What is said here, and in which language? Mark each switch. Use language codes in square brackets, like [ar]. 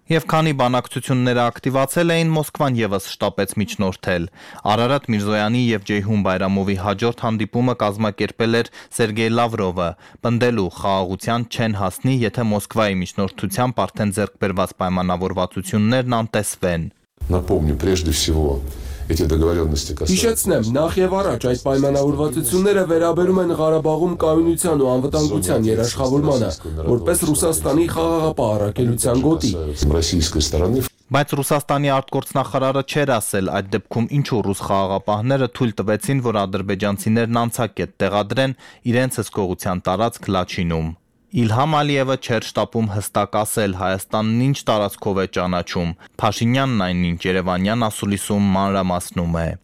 [hy] Եվ քանի բանակցությունները ակտիվացել էին Մոսկվան եւս շտապեց միջնորդել։ Արարատ Միրզոյանի եւ Ջեյհուն Բայրամովի հաջորդ հանդիպումը կազմակերպել էր Սերգեյ Լավրովը։ Պնդելու խաղաղության չեն հասնի, եթե Մոսկվայի միջնորդությամբ արդեն ձեռքբերված պայմանավորվածություններն անտեսվեն։ [ru] Напомню, прежде всего, эти договоренности касаются... [hy] Հիշեցնեմ, նախ և առաջ այդ պայմանավորվածությունները վերաբերում են Ղարաբաղում կայունության ու անվտանգության երաշխավորմանը, որպես Ռուսաստանի խաղաղապահ առաքելության գոտի։ Բայց Ռուսաստանի արտգործնախարարը չէր ասել այդ դեպքում, ինչու ռուս խաղաղապահները թույլ տվեցին, որ ադրբեջանցիներն անցակետ տեղադրեն իրենց հսկողության տարածք Լաչինում։ Իլհամ Ալիևը չեր շտապում հստակ ասել Հայաստանն ինչ տարածքով է ճանաչում։ Փաշինյանն այնինչ Երևանյան ասուլիսում մանրամասնում է.